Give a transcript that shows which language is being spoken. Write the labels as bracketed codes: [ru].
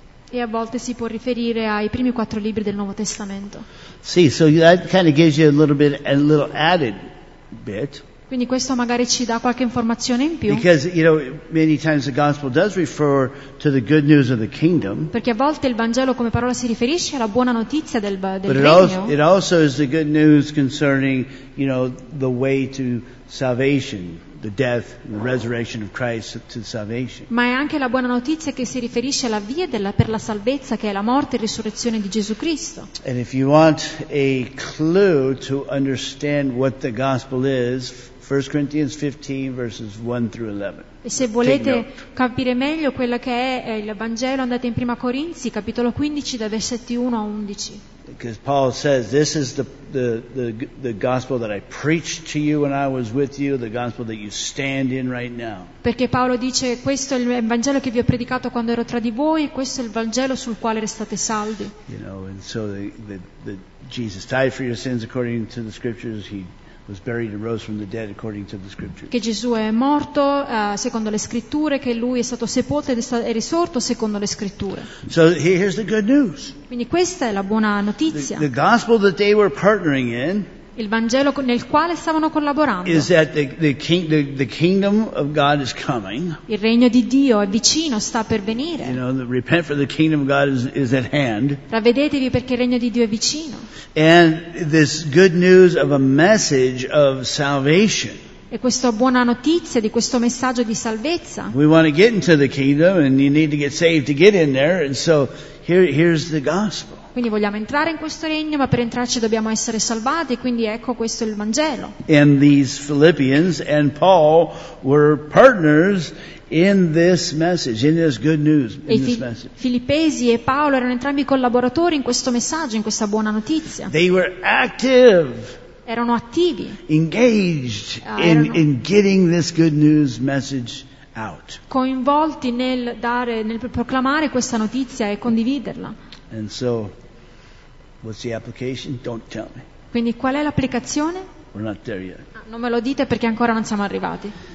[it] E a volte si può riferire ai primi quattro libri del Nuovo Testamento. [en] Sì, so that kind of gives you a little added bit. [it] Quindi questo magari ci dà qualche informazione in più. [en] Because, you know, many times the gospel does refer to the good news of the kingdom. [it] Perché a volte il Vangelo come parola si riferisce alla buona notizia del regno. [en] But it also is the good news concerning, you know, the way to salvation, the death and the resurrection of Christ to salvation. [it] Ma è anche la buona notizia che si riferisce alla via della, per la salvezza, che è la morte e risurrezione di Gesù Cristo. [en] And if you want a clue to understand what the gospel is, 1 Corinthians 15 verses 1 through 11. [it] E se volete capire meglio quella che è il Vangelo, andate in Prima Corinzi, capitolo 15, da versetti 1 a 11. [en] Because Paul says, this is the gospel that I preached to you when I was with you, the gospel that you stand in right now. [it] Perché Paolo dice, questo è il Vangelo che vi ho predicato quando ero tra di voi, questo è il Vangelo sul quale restate saldi. [en] You know, and so the Jesus died for your sins according to the scriptures, he was buried and rose from the dead according to the scriptures. [it] Che Gesù è morto secondo le scritture, che lui è stato sepolto ed è risorto secondo le scritture. [en] So here's the good news. [it] Quindi questa è la buona notizia. [en] The gospel that they were partnering in, [it] il Vangelo nel quale stavano collaborando, [en] is that the kingdom of God is coming. [it] Il regno di Dio è vicino, sta per venire. [en] You know, repent for the kingdom of God is at hand. [it] Ravvedetevi perché il regno di Dio è vicino. [en] And this good news of a message of salvation. [it] E questa buona notizia di questo messaggio di salvezza. [en] We want to get into the kingdom, and you need to get saved to get in there. And so here's the gospel. [it] Quindi vogliamo entrare in questo regno, ma per entrarci dobbiamo essere salvati, quindi ecco, questo è il Vangelo. [en] And these Philippians and Paul were partners in this message, in this good news, in this message. [it] Filippesi e Paolo erano entrambi collaboratori in questo messaggio, in questa buona notizia. [en] They were active. [it] Erano attivi. [en] Engaged in getting this good news message out. [it] Coinvolti nel dare, nel proclamare questa notizia e condividerla. [en] And so, what's the application? Don't tell me. [it] Quindi qual è l'applicazione? [en] We're not there yet. [it] Non me lo dite perché ancora non siamo arrivati.